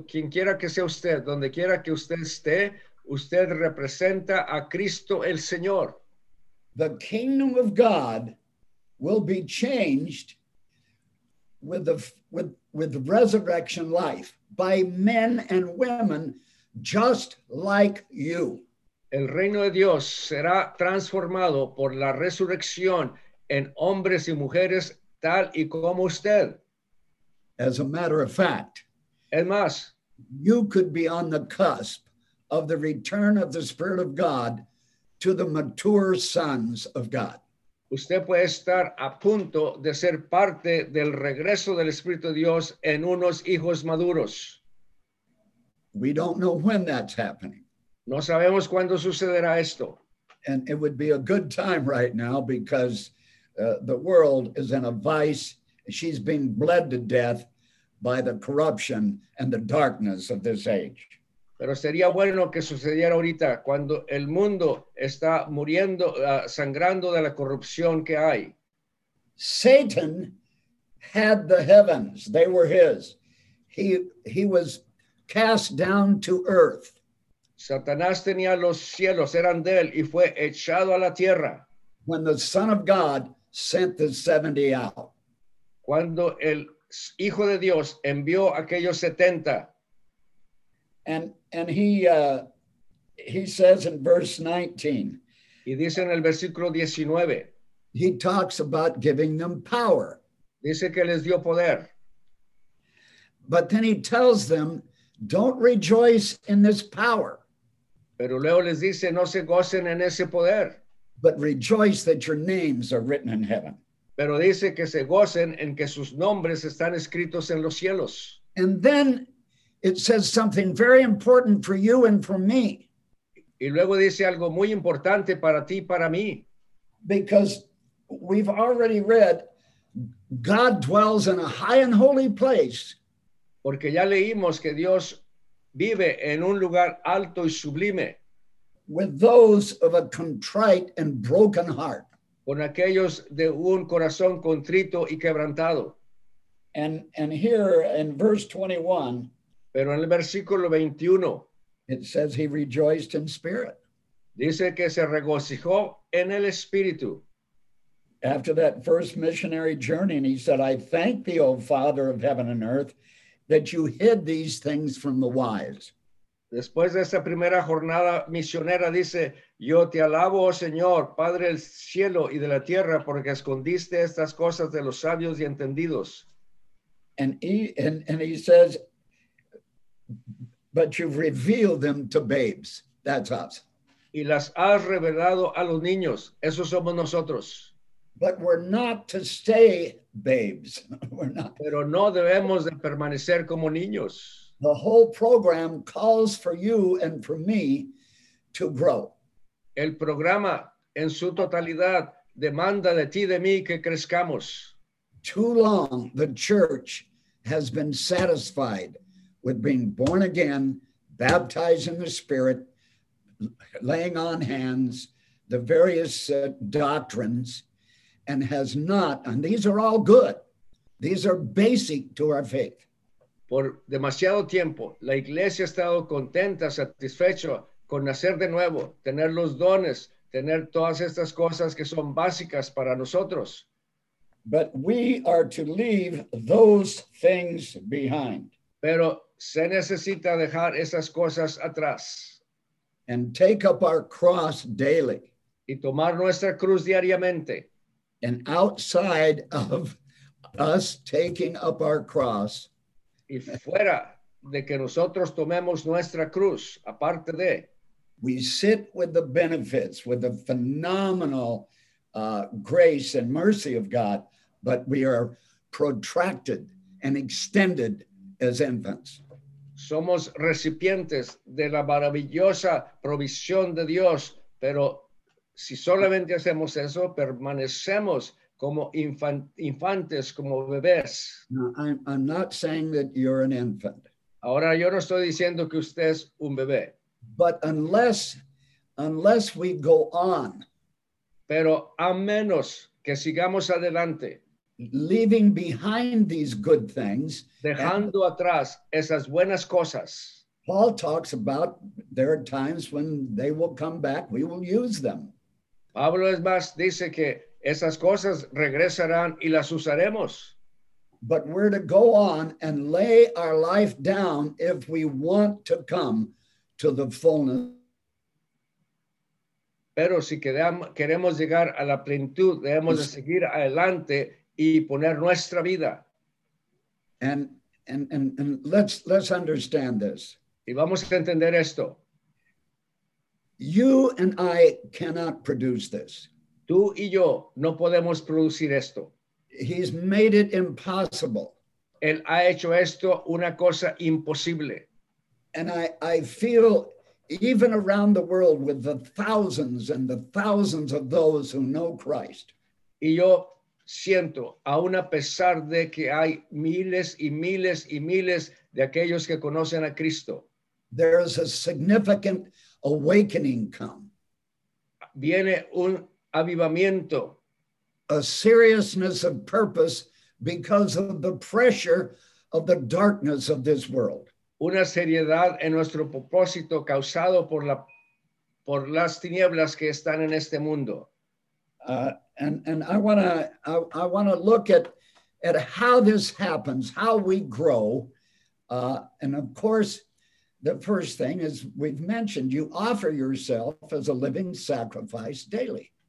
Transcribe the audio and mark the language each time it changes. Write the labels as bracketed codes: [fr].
[es] Donde quiera que usted esté, usted representa a Cristo el Señor. [en] The kingdom of God will be changed with resurrection life by men and women just like you. [es] El reino de Dios será transformado por la resurrección en hombres y mujeres tal y como usted. [en] As a matter of fact, [es] es más, [en] you could be on the cusp of the return of the Spirit of God to the mature sons of God. [es] Usted puede estar a punto de ser parte del regreso del Espíritu de Dios en unos hijos maduros. [en] We don't know when that's happening. [es] No sabemos cuándo sucederá esto. [en] And it would be a good time right now because the world is in a vice. She's been bled to death by the corruption and the darkness of this age. [es] Pero sería bueno que sucediera ahorita cuando el mundo está muriendo, sangrando de la corrupción que hay. [en] Satan had the heavens, they were his. He was cast down to earth. [es] Satanás tenía los cielos, eran de él, y fue echado a la tierra. [en] When the Son of God sent the 70 out. [es] Cuando el Hijo de Dios envió aquellos 70. [en] And he says in verse 19. [es] Y dice en el versículo 19. [en] He talks about giving them power. [es] Dice que les dio poder. [en] But then he tells them, don't rejoice in this power. [es] Pero luego les dice, no se gocen en ese poder. [en] But rejoice that your names are written in heaven. [es] Pero dice que se gocen en que sus nombres están escritos en los cielos. [en] And then it says something very important for you and for me. [es] Y luego dice algo muy importante para ti y para mí. [en] Because we've already read, God dwells in a high and holy place. [es] Porque ya leímos que Dios vive en un lugar alto y sublime. [en] With those of a contrite and broken heart. [es] Con aquellos de un corazón contrito y quebrantado. [en] And here in verse 21, [es] pero en el versículo 21, [en] it says he rejoiced in spirit. [es] Dice que se regocijó en el espíritu. [en] After that first missionary journey, and he said, I thank thee, O Father of heaven and earth, that you hid these things from the wise. [es] Después de esa primera jornada misionera, dice, yo te alabo, oh Señor, Padre del cielo y de la tierra, porque escondiste estas cosas de los sabios y entendidos. [en] And he says, but you've revealed them to babes. That's us. [es] Y las has revelado a los niños. Esos somos nosotros. [en] But we're not to stay babes. We're not. [es] Pero no debemos de permanecer como niños. [en] The whole program calls for you and for me to grow. [es] El programa en su totalidad demanda de ti, de mí, que crezcamos. [en] Too long the church has been satisfied with being born again, baptized in the Spirit, laying on hands, the various doctrines, and has not, and these are all good, these are basic to our faith. [es] Por demasiado tiempo, la iglesia ha estado contenta, satisfecha con nacer de nuevo, tener los dones, tener todas estas cosas que son básicas para nosotros. [en] But we are to leave those things behind. [es] Pero se necesita dejar esas cosas atrás. [en] And take up our cross daily. [es] Y tomar nuestra cruz diariamente. [en] And outside of us taking up our cross. [es] Y fuera de que nosotros tomemos nuestra cruz, aparte de. [en] We sit with the benefits, with the phenomenal grace and mercy of God, but we are protracted and extended as infants. [es] Somos recipientes de la maravillosa provisión de Dios, pero si solamente hacemos eso, permanecemos como infantes, como bebés. [en] No, I'm not saying that you're an infant. [es] Ahora yo no estoy diciendo que usted es un bebé. [en] But unless we go on, [es] pero a menos que sigamos adelante, [en] leaving behind these good things, [es] dejando atrás esas buenas cosas. [en] Paul talks about there are times when they will come back, we will use them. [es] Pablo es más, dice que esas cosas regresarán y las usaremos. [en] But we're to go on and lay our life down if we want to come to the fullness. [es] Pero si queremos llegar a la plenitud, debemos de seguir adelante y poner nuestra vida. [en] And let's understand this. [es] Y vamos a entender esto. [en] You and I cannot produce this. [es] Tú y yo no podemos producir esto. [en] He's made it impossible. [es] Él ha hecho esto una cosa imposible. [en] And I feel, even around the world with the thousands and the thousands of those who know Christ. [es] Y yo siento, aun a pesar de que hay miles y miles y miles de aquellos que conocen a Cristo, [en] there is a significant awakening come. [es] Viene un avivamiento. [en] A seriousness of purpose because of the pressure of the darkness of this world. [es] Una seriedad en nuestro propósito causado por las tinieblas que están en este mundo. [en] And I want to look at how this happens, how we grow. And of course, the first thing is we've mentioned, you offer yourself as a living sacrifice daily.